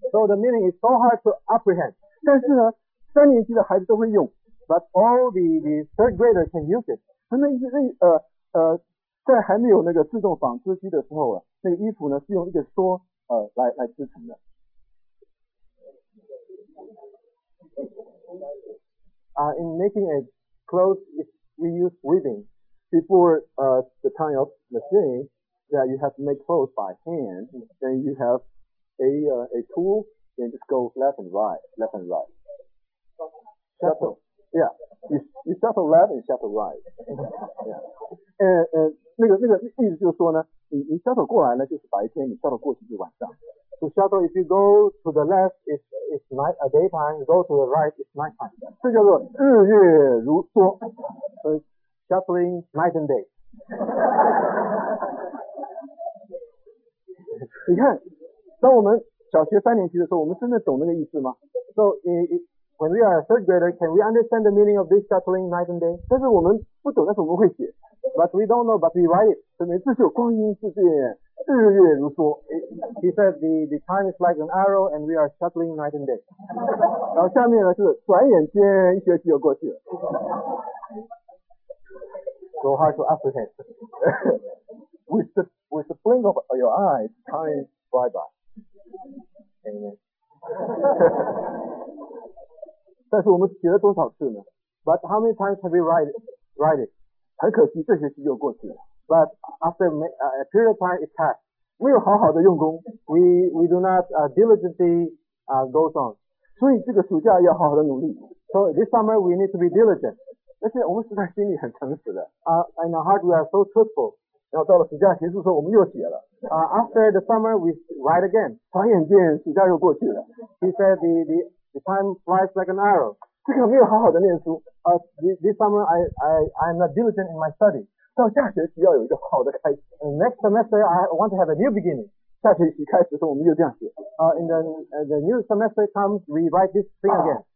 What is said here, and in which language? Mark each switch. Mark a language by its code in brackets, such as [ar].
[en] So the meaning is so hard to apprehend [zh] 但是呢三年级的孩子都会用 [en] But all the third graders can use it [zh] 在还没有那个自动纺织机的时候那个衣服呢是用一个梭来织成的 [en] In making a clothes we use weaving Before the time of machineYeah, you have to make clothes by hand, then you have a tool, then just go left and right. Shuttle. Yeah, you shuttle left and shuttle right. Yeah. [zh] 那个意思就是说呢，你 shuttle 过来呢就是白天，你 shuttle 过去就是晚上。 [en] So shuttle, if you go to the left, it's night, a daytime, go to the right, it's night time. [zh] 这叫做日月如梭 [en] shuttling night and day. [zh] 你看，当我们小学三年级的时候，我们真的懂那个意思吗 [en] ？So when we are a third grader, can we understand the meaning of this shuttling night and day? [zh] 但是我们不懂，但是我们会写。 [en] But we don't know, but we write it. [zh] 所以每次就光阴似箭，日月如梭。 [en] He said the time is like an arrow, and we are shuttling night and day. [zh] 然后下面呢是转眼间一学期就过去了。 [en] So hard to apprehend. With the blink of your eyes, time flies by. Amen. [zh] 但是我们写了多少次呢 [en] ？But how many times have we write it? [zh] 很可惜，这学期又过去了。 [en] But after a period of time, it passed. [zh] 没有好好的用功。 [en] We do not diligently goes on. [zh] 所以这个暑假要好好的努力。 [en] So this summer we need to be diligent. [zh] 而且我们实在心里很诚实的。 [en] And our heart we are so truthful. [zh] 然后到了暑假结束的时候我们又写了。 [en] After the summer we write again. [zh] 转眼间暑假又过去了。 [en] He said the time flies like an arrow. [zh] 这个没有好好的念书。 [en] This summer I'm not diligent in my study. [zh] 到下学期要有一个好的开始。 [en] Next semester, I want to have a new beginning. [zh] 下学期开始的时候我们就这样写。 [en] In the new semester comes, we write this thing again.